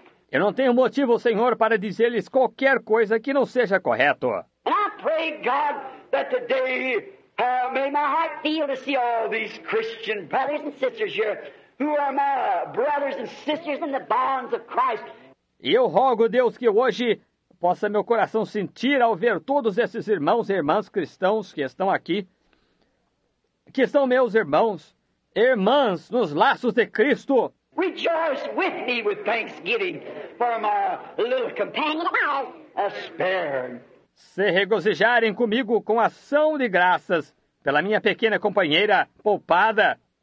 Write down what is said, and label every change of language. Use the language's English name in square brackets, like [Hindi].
[Portuguese] Eu não tenho motivo, Senhor, para dizer-lhes qualquer coisa que não seja correto. E eu peço a Deus que hoje... [English] may my heart feel to see all these Christian brothers and sisters here who are my brothers and sisters in the bonds of Christ. [Portuguese] E eu rogo, Deus, que hoje possa meu coração sentir ao ver todos esses irmãos e irmãs cristãos que estão aqui, que são meus irmãos, irmãs nos laços de Cristo. [English] Rejoice with me with thanksgiving for my little companion of ours, a spare. [Portuguese] Se regozijarem comigo com ação de graças pela minha pequena companheira poupada.